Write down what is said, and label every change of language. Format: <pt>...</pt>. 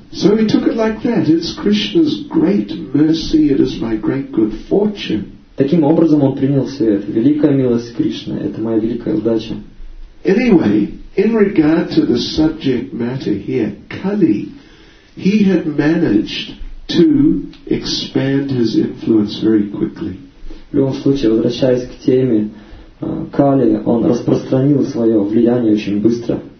<en>So he took it like that. It's Krishna's great mercy. It is my great good fortune.</en> <ru>Таким образом он принял все это. Великая милость Кришны, это моя великая удача.</ru> <en>Anyway, in regard to the subject matter here, Kali, he had managed to expand his influence very quickly.</en> <ru>В любом случае, возвращаясь к теме, Кали, он распространил свое влияние очень быстро.</ru>